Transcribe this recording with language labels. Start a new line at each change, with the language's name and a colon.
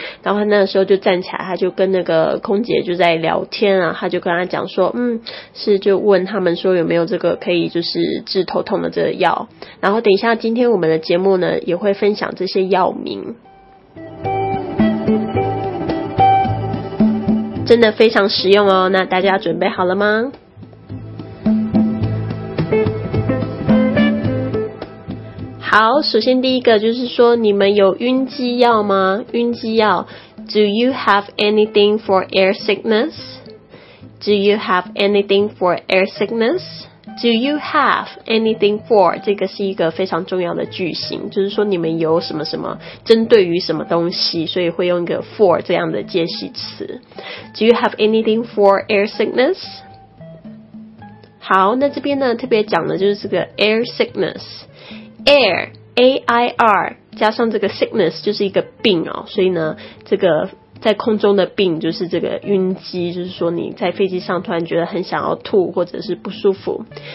Chinese: 然后那时候就站起来，他就跟那个空姐就在聊天啊，他就跟他讲说，是就问他们说有没有这个可以就是治头痛的这个药，然后等一下今天我们的节目呢也会分享这些药名，真的非常实用哦。那大家准备好了吗？好，首先第一个就是说，你们有晕机药吗？晕机药
English: Do you have anything for air sickness? Do you have anything for air sickness? Do you have anything for?
Chinese: 这个是一个非常重要的句型，就是说你们有什么什么针对于什么东西，所以会用一个 for 这样的介系词。
English: Do you have anything for air sickness?
Chinese: 好，那这边呢特别讲的就是这个 air sickness。 Air, A-I-R, 加上这个 sickness 就是一个病哦，所以呢这个在空中的病就是这个晕机，就是说你在飞机上突然觉得很想要吐或者是不舒服。